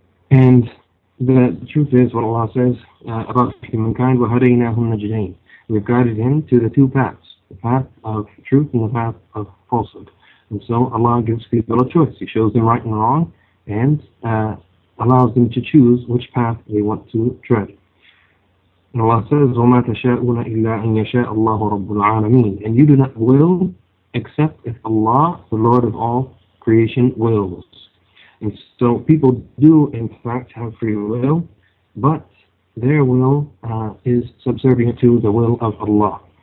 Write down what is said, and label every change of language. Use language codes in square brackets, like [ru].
[en] And the truth is what Allah says about humankind, [ar] وَهَدَيْنَاهُمْ نَجْدَيْنِ. [en] We've guided him to the two paths, the path of truth and the path of falsehood. And so Allah gives people a choice. He shows them right and wrong, and allows them to choose which path they want to tread. And Allah says, [ar] وَمَا تَشَاءُونَ إِلَّا أَن يَشَاءَ اللَّهُ رَبُّ الْعَالَمِينَ. [en] And you do not will except if Allah, the Lord of all creation, wills. And so people do, in fact, have free will, but their will is subservient to the will of Allah.